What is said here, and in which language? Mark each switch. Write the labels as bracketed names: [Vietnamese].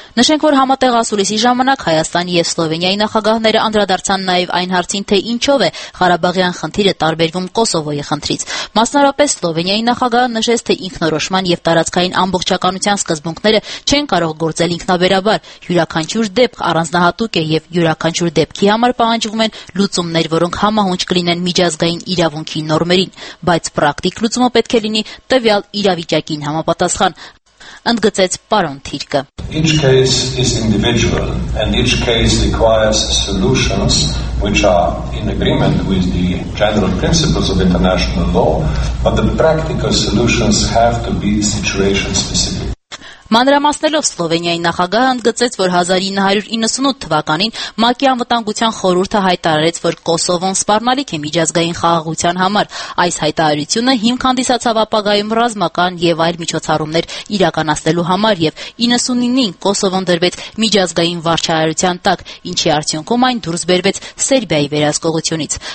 [Armenian] Նշենք, որ համատեղ ասուլիսի ժամանակ Հայաստանի և Սլովենիայի նախագահները անդրադարձան նաև այն հարցին, թե ինչով է Ղարաբաղյան խնդիրը տարբերվում Կոսովոյի խնդրից։ Մասնարապես Սլովենիայի նախագահը նշեց, թե ինքնորոշման և տարածքային ամբողջականության սկզբունքները չեն կարող գործել ինքնաբերաբար, յուրաքանչյուր դեպք առանձնահատուկ է և յուրաքանչյուր դեպքի համար պահանջվում են լուծումներ, որոնք համահունչ կլինեն միջազգային իրավունքի նորմերին, բայց պրակտիկ լուծումը պետք է լինի տվյալ իրավիճակին համապատասխան, ընդգծեց պարոն Թիրկը։ [English] Each case is individual and each case requires solutions which are in agreement with the general principles of international law, but the practical solutions have to be situation specific. [Armenian] Մանրամասնելով Սլովենիայի նախագահը ընդգծեց, որ 1998 թվականին ՄԱԿ-ի անվտանգության խորհուրդը հայտարարեց, որ Կոսովոն սպառնալիք է միջազգային խաղաղության համար։ Այս հայտարարությունը հիմք հանդիսացավ ապագայում ռազմական և այլ միջոցառումներ իրականացնելու համար և 99-ին Կոսովոն դրվեց միջազգային վարչարարության տակ, ինչի արդյունքում այն դուրս բերվեց Սերբիայի վերահսկողությունից։